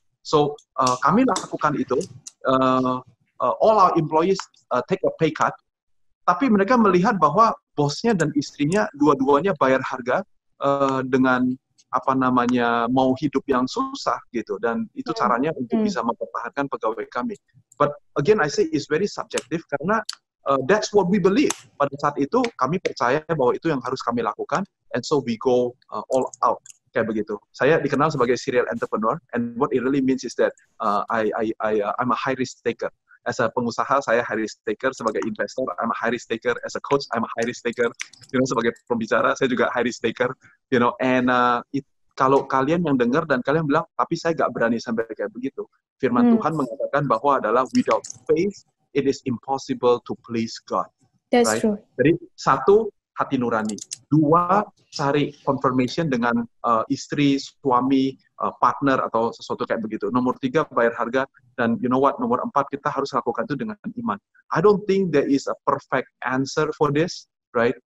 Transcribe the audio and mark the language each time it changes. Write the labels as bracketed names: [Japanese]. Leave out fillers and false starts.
[Indonesian] So, kami lakukan itu, [English] all our employees take a pay cut, [Indonesian] tapi mereka melihat bahwa bosnya dan istrinya dua-duanya bayar harga dengan apa namanya mau hidup yang susah gitu, dan itu caranya untuk bisa mempertahankan pegawai kami. [English] But again I say it's very subjective karena that's what we believe. [Indonesian] Pada saat itu kami percaya bahwa itu yang harus kami lakukan, [English] and so we go all out. [Indonesian] Kayak begitu. Saya dikenal sebagai [English] serial entrepreneur, and what it really means is that I'm a high risk taker. As a pengusaha, saya high risk taker. [Indonesian] Sebagai investor, [English] I'm a high risk taker. As a coach, I'm a high risk taker. You know, [Indonesian] sebagai pembicara, saya juga [English] high risk taker. You know, [Indonesian] and kalau kalian yang dengar dan kalian bilang, tapi saya gak berani sampai kayak begitu. Firman Tuhan mengatakan bahwa adalah [English] without faith, it is impossible to please God. That's right? True. [Indonesian] Jadi, satu, hati nurani. Dua, cari confirmation dengan istri, suami, partner, atau sesuatu kayak begitu. Nomor tiga, bayar harga. Dan [English] you know what, [Indonesian] nomor empat, kita harus lakukan itu dengan iman. [English] I don't think there is a perfect answer for this, right?